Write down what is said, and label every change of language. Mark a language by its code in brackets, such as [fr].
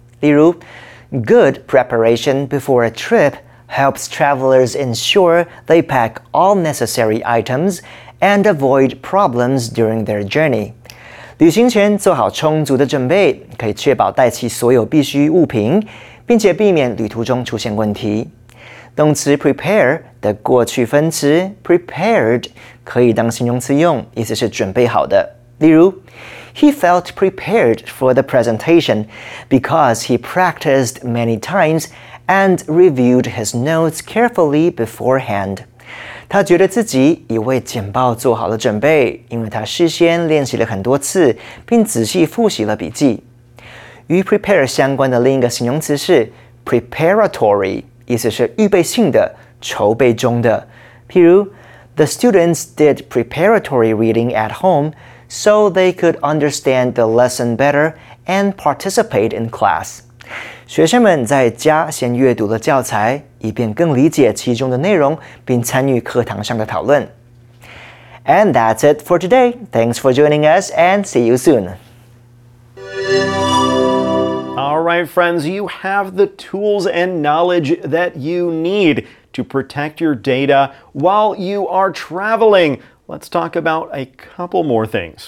[en] 例如, good preparation before a trip helps travelers ensure they pack all necessary items and avoid problems during their journey. [zh] 旅行前做好充足的准备，可以确保带齐所有必需物品，并且避免旅途中出现问题。动词 prepare 的过去分词 prepared 可以当形容词用，意思是准备好的。 [en] 例如 ，He felt prepared for the presentation because he practiced many times and reviewed his notes carefully beforehand. [zh] 他觉得自己已为简报做好了准备，因为他事先练习了很多次，并仔细复习了笔记。与 prepare 相关的另一个形容词是 preparatory， 意思是预备性的、筹备中的。 [en] 譬如 ，The students did preparatory reading at home so they could understand the lesson better and participate in class。 [zh] 学生们在家先阅读了教材，以便更理解其中的内容，并参与课堂上的讨论。 [en] And that's it for today. Thanks for joining us and see you soon. All right, friends, you have the tools and knowledge that you need to protect your data while you are traveling. Let's talk about a couple more things.